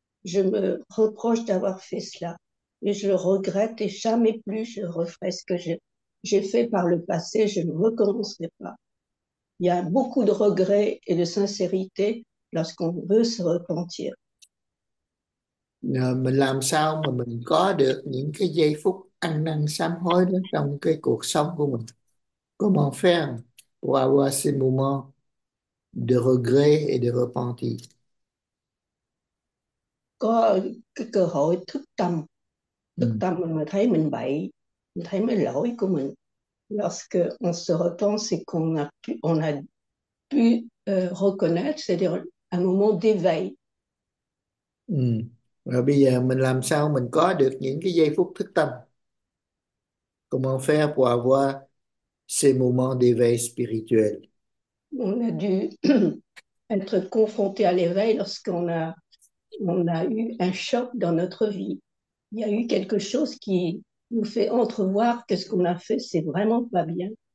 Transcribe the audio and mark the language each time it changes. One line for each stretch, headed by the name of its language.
French: Je me reproche d'avoir fait cela, mais je le regrette et jamais plus je referai ce que j'ai fait par le passé, je ne recommencerai pas. » Il y a beaucoup de regrets et de sincérité lorsqu'on veut se repentir.
Vietnamese: Mình làm sao mà mình có được những cái giây phút ăn năn sám hối đó trong cái cuộc sống của mình?
French: Comment faire pour avoir ces moments de regret et de repentir?
Vietnamese: Có cái cơ hội thức tâm. Thức tâm mình mới thấy mình bậy, mình thấy mấy lỗi của mình.
French: Lorsque on se repent, c'est qu'on a pu, reconnaître, c'est-à-dire un moment d'éveil.
Vietnamese: Rồi bây giờ mình làm sao mình có được những cái giây phút thức tâm?
French: Comment faire pour avoir ces moments d'éveil spirituel? On a dû être confronté à l'éveil lorsqu'on a eu un choc dans notre vie. Il y a eu quelque chose qui nous fait entrevoir que ce qu'on a fait, c'est vraiment pas bien.